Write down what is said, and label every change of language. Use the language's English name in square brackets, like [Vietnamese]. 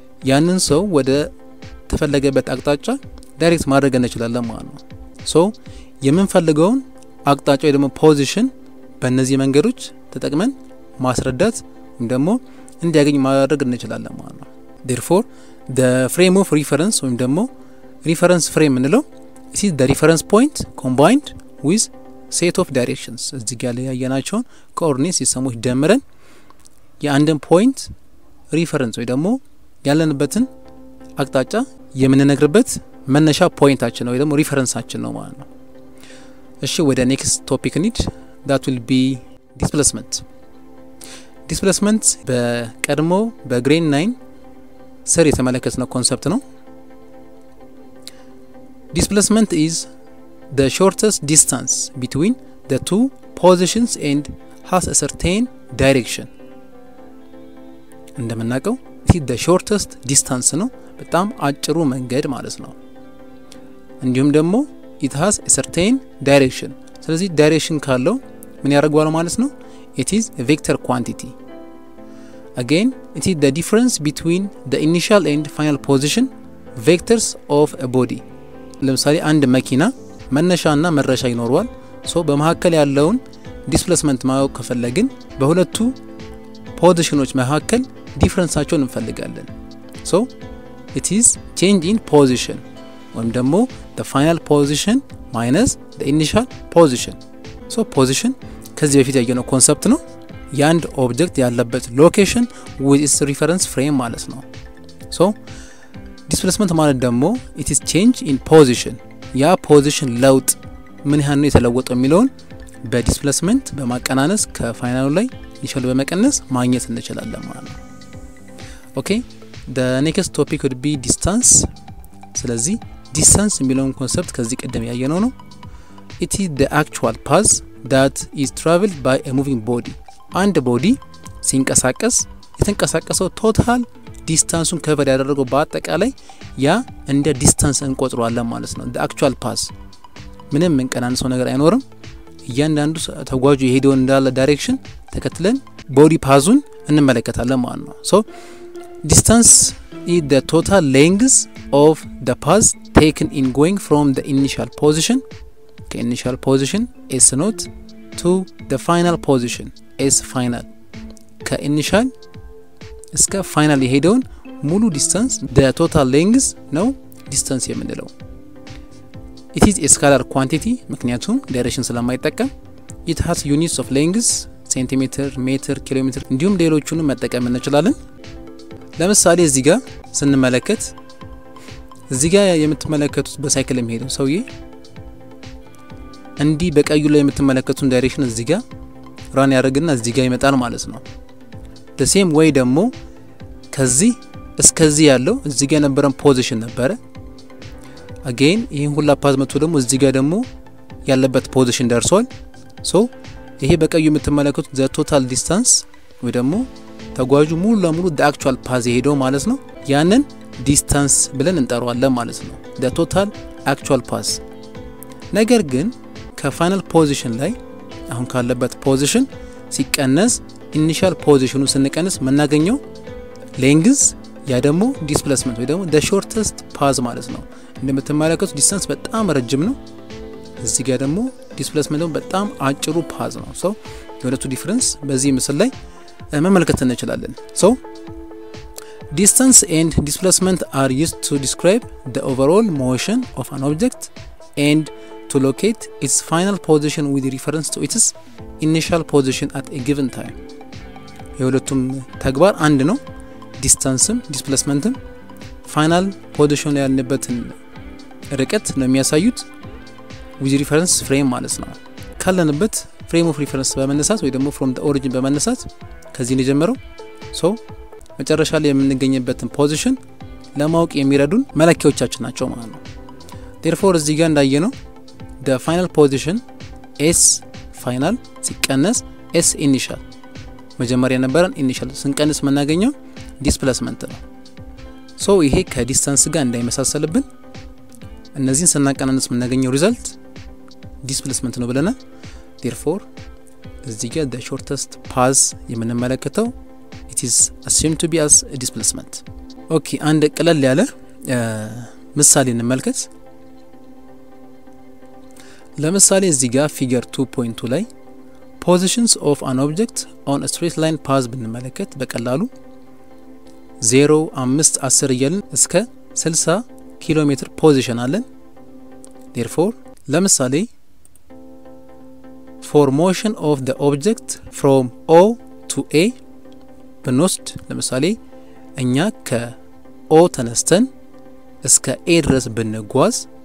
[Amharic] ያንን ሰው ወደ ተፈለገበት አቅጣጫ ዳይሬክት ማድረግ እንችላለን ማለት ነው። so የምንፈልገውን አቅጣጫ ወይ ደግሞ ፖዚሽን በእነዚህ መንገዶች ተጠቅመን ማስረዳት ወይ ደግሞ እንዲያገኝ ማድረግ እንችላለን ማለት ነው። [English] Therefore, the frame of reference, [Amharic] ወይም ደግሞ [English] reference frame እንለው, this is the reference point combined with set of directions. [Amharic] እዚህ ጋር ያያናቸውን coordinates ሲሰሙት ደምረን የአንድን point reference ወይ ደግሞ ያለንበትን አቅጣጫ የምንነግርበት መነሻ pointአችን ነው ወይ ደግሞ referenceአችን ነው ማለት ነው. እሺ, ወደ [English] next topic need that will be displacement. [Amharic] Displacement በቀድሞ በgrade 9 ስር የተመለከትነው concept ነው. [English] Displacement is the shortest distance between the two positions and has a certain direction. [Amharic] እንደምናውቀው [English] this is the shortest distance [Amharic] ነው, በጣም አጭሩ መንገድ ማለት ነው. እንዲሁም ደግሞ [English] it has a certain direction. [Amharic] ስለዚህ direction ካለው ምን ያረጋል ማለት ነው? [English] It is a vector quantity. Again, it is the difference between the initial and final position vectors of a body. [Amharic] ለምሳሌ አንድ መኪና መነሻና መድረሻ ይኖርዋል. ሶ በመሐከል ያለውን displacement ማወቅ ከፈለግን በሁለቱ positionዎች መሐከል differenceአቸውን እንፈልጋለን. [English] ሶ it is change in position, [Amharic] ወይም ደግሞ [English] the final position minus the initial position. [Amharic] ሶ position ከዚህ በፊት ያየነው concept ነው. የአንድ object ያለበት location [English] with its reference frame [Amharic] ማለት ነው. [English] ሶ displacement [Amharic] ማለት ደግሞ [English] it is change in position. [Amharic] ያ position ለውጥ ምን ያህል ነው የተለወጠው የሚለውን በdisplacement በማቀናነስ ከfinal ላይ ይሻል በመቀነስ ማግኘት እንችላለን ማለት ነው. [English] Okay, the next topic would be distance. [Amharic] ስለዚህ distance የሚለውን concept ከዚህ ቀደም ያየነው ነው. [English] It is the actual path that is traveled by a moving body. [Amharic] አንድ body ሲንቀሳቀስ የተንቀሳቀሰው total distance-ን cover ያደረገው በአጠቃላይ ያ እንደ distance እንቆጥሯለን ማለት ነው. [English] The actual path [Amharic] ምንም እንቀናንሶ ነገር አይኖርም. እያንዳንዱ ተጓዡ የሄደው እንዳለ direction ተከትለን body path-ን እንመለከታለን ማለት ነው. [English] So distance is the total length of the path taken in going from the initial position, okay, initial position S note, to the final position S final. [Amharic] ከ initial እስከ final የሄደውን ሙሉ distance [English] the total length [Amharic] ነው distance የምንለው. [English] It is a scalar quantity, ምክንያቱም direction ስለማይጠቀም. It has units of length, centimeter, meter, kilometer, [Amharic] እንዲሁም ሌሎቹንም መጠቀም እንችላለን. ለምሳሌ እዚህ ጋር ስንመለከት እዚህ ጋር የምትመለከቱት በሳይክልም ሄደው ሰውዬ እንዲ በቀዩ ላይ የምትመለከቱን ዳይሬክሽን እዚህ ጋር ራን ያደርግና እዚህ ጋር ይመጣል ማለት ነው. [English] the same way [Amharic] ደግሞ ከዚህ እስከዚህ ያለው እዚህ ጋር ነበርን ፖዚሽን ነበር. again ይሄን ሁላ ፓዝ መጥቶ ደግሞ እዚህ ጋር ደግሞ ያለበት ፖዚሽን ደርሷል. so ይሄ በቀዩ የምትመለከቱት [English] the total distance [Amharic] ወይ ደግሞ ተጓዡ ሙሉ ለሙሉ [English] the actual path [Amharic] የሄደው ማለት ነው. ያንን distance ብለን እንጠራዋለን ማለት ነው. [English] the total actual path. [Amharic] ነገር ግን ከfinal position ላይ አሁን ካለበት position ሲቀነስ initial positionን ስንቀነስ መናገኘው length ያ ደግሞ displacement ወይ ደግሞ [English] the shortest path [Amharic] ማለት ነው. እንደምትመለከቱት distance በጣም ረጅም ነው. እዚህ ጋር ደግሞ displacement ደግሞ በጣም አጭሩ path ነው. so የሁለቱ difference በዚህ ምስል ላይ መመልከት እንችላለን. [English] so distance and displacement are used to describe the overall motion of an object and to locate its final position with reference to its initial position at a given time. [Amharic] የሁለቱም ተግባር አንድ ነው. distance-ም displacement-ም final position ያለበትን ርቀት ነው የሚያሳዩት [English] with reference frame [Amharic] ማለት ነው. ካለንበት frame of reference በመነሳት ወይ ደግሞ [English] from the origin [Amharic] በመነሳት ከዚህ ነው ጀመረው. so መጨረሻ ላይ የምንገኝበትን position ለማወቅ የሚረዱን መለኪያዎቻችን ናቸው ማለት ነው. therefore እዚህ ጋር እንዳየነው [English] the final position s final [Amharic] ሲቀነስ s initial መጀመሪያ ነበርን initial ስንቀነስ መናገኘው displacement ነው. so ይሄ ከdistance ጋር እንዳይመሳሰልብን እነዚህን ስናቀናነስ መናገኘው result displacement ነው ብለናል. [English] therefore [Amharic] እዚህ ጋር [English] the shortest path የምንመለከተው it is assumed to be as a displacement. [Amharic] okay, አንድ ቀለል ያለ ምሳሌ እንመልከት. ለምሳሌ እዚህ ጋር figure 2.2 ላይ [English] positions of an object on a straight line path [Amharic] ብንመለከት በቀላሉ 0510 ይያልን እስከ 60 ኪሎ ሜትር ፖዚሽን አለን። therefore ለምሳሌ [English] for motion of the object from O to A [Amharic] بنوست ለምሳሌ እኛ ከ O ተነስተን እስከ A ድረስ بنጓዝ